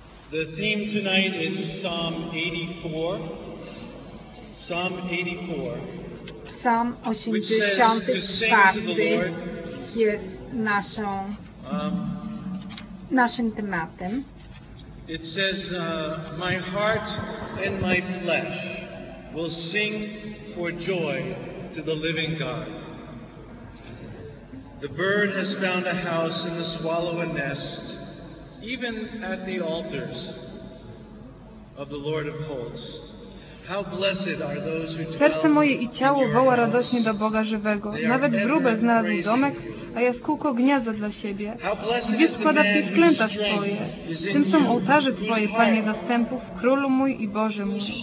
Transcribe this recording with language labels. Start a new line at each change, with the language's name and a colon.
English: The theme tonight is Psalm 84. Psalm 84. Psalm 84. Which says to sing to the Lord.
Polish: Jest naszą, naszym tematem.
English: It says, my heart and my flesh will sing for joy to the living God. The bird has found a house and the swallow a nest, even at the altars of the Lord of hosts. How blessed are those who dwell
Polish: serce moje i ciało woła radośnie do Boga żywego. Nawet wróbel znalazł domek, a jaskółko gniazda dla siebie. Gdzie składa pisklęta swoje? Tym są ołtarze Twoje, Panie zastępów, Królu mój i Boże mój.